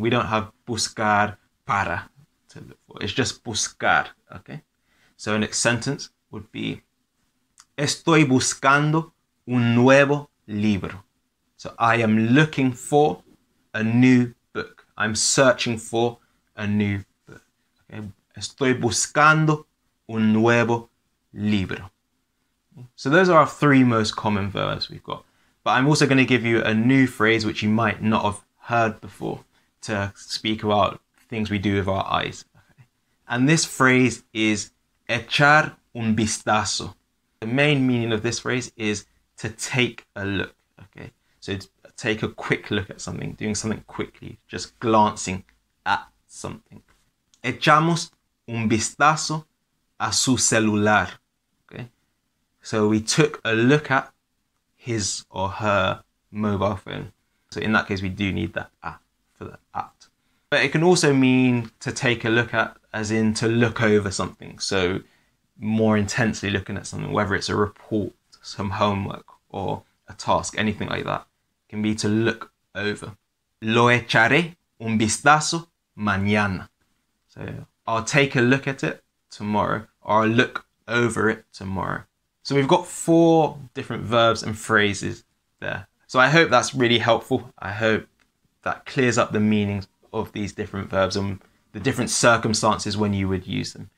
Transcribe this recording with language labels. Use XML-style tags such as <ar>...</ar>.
<en>We don't have buscar para to look for. It's just buscar, okay? So a next sentence would be,</en> <es>estoy buscando un nuevo libro.</es> <en>So I am looking for a new book. I'm searching for a new book. Okay?</en> <es>Estoy buscando un nuevo libro.</es> <en>So those are our three most common verbs we've got. But I'm also going to give you a new phrase which you might not have heard before to speak about things we do with our eyes. Okay. And this phrase is echar un vistazo. The main meaning of this phrase is to take a look. Okay, so take a quick look at something, doing something quickly, just glancing at something.</en> <es>Echamos un vistazo a su celular.</es> <en>Okay, so we took a look at his or her mobile phone. So in that case, we do need that app for the app. But it can also mean to take a look at, as in to look over something. So more intensely looking at something, whether it's a report, some homework, or a task, anything like that, can be to look over.</en> <es>Lo echaré un vistazo mañana.</es> <en>So I'll take a look at it tomorrow, or I'll look over it tomorrow. So we've got four different verbs and phrases there. So I hope that's really helpful. I hope that clears up the meanings of these different verbs and the different circumstances when you would use them.</en>